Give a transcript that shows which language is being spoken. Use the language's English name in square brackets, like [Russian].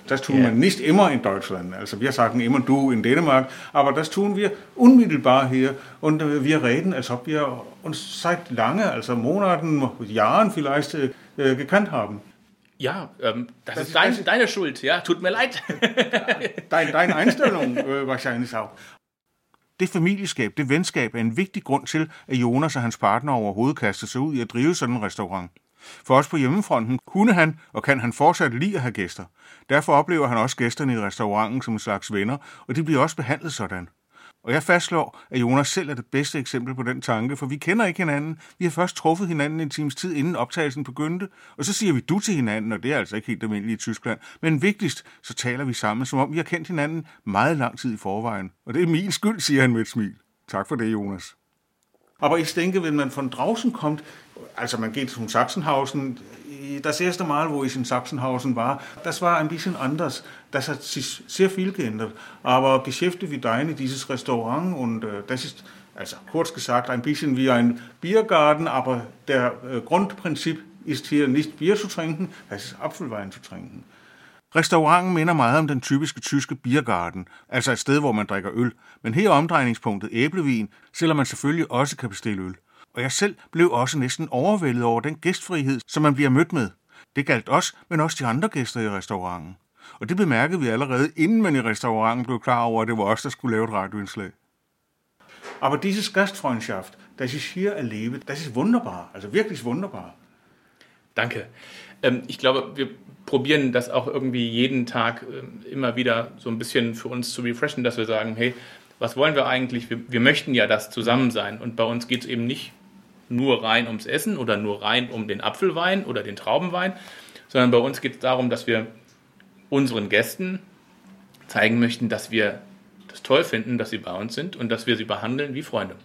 [German] Das tun wir nicht immer in Deutschland. Also wir sagen immer du in Dänemark, aber das tun wir unmittelbar hier. Und wir reden, als ob wir uns seit lange, also Monaten, Jahren vielleicht gekannt haben. Ja, das ist deine Schuld. Ja, tut mir leid. Deine Einstellung wahrscheinlich auch. [Danish] Det familieskab, det venskab er en vigtig grund til, at Jonas og hans partner overhovedet kaster sig ud i at drive sådan en restaurant. For også på hjemmefronten kunne han og kan han fortsat lide at have gæster. Derfor oplever han også gæsterne i restauranten som en slags venner, og de bliver også behandlet sådan. Og jeg fastslår, at Jonas selv er det bedste eksempel på den tanke, for vi kender ikke hinanden. Vi har først truffet hinanden en times tid, inden optagelsen begyndte, og så siger vi du til hinanden, og det er altså ikke helt almindeligt i Tyskland. Men vigtigst, så taler vi sammen, som om vi har kendt hinanden meget lang tid i forvejen. Og det er min skyld, siger han med et smil. Tak for det, Jonas. [German] Aber ich denke, wenn man von draußen kommt, also man geht zum Sachsenhausen, das erste Mal, wo ich in Sachsenhausen war, das war ein bisschen anders. Das hat sich sehr viel geändert. Aber Geschäfte wie deine, dieses Restaurant, und das ist, also kurz gesagt, ein bisschen wie ein Biergarten, aber der Grundprinzip ist hier nicht Bier zu trinken, das ist Apfelwein zu trinken. [Danish] Restauranten minder meget om den typiske tyske Biergarten, altså et sted, hvor man drikker øl. Men her er omdrejningspunktet æblevin, selvom man selvfølgelig også kan bestille øl. Og jeg selv blev også næsten overvældet over den gæstfrihed, som man bliver mødt med. Det galt os, men også de andre gæster i restauranten. Og det bemærkede vi allerede, inden man i restauranten blev klar over, at det var os, der skulle lave et radioindslag. [German] Aber dieses Gastfreundschaft, das ist hier erlebt, das ist wunderbar, [Danish] altså virkelig [German] wunderbar. Danke. Ich glaube, wir probieren das auch irgendwie jeden Tag immer wieder so ein bisschen für uns zu refreshen, dass wir sagen, hey, was wollen wir eigentlich? Wir möchten ja das zusammen sein. Und bei uns geht es eben nicht nur rein ums Essen oder nur rein um den Apfelwein oder den Traubenwein, sondern bei uns geht es darum, dass wir unseren Gästen zeigen möchten, dass wir das toll finden, dass sie bei uns sind und dass wir sie behandeln wie Freunde.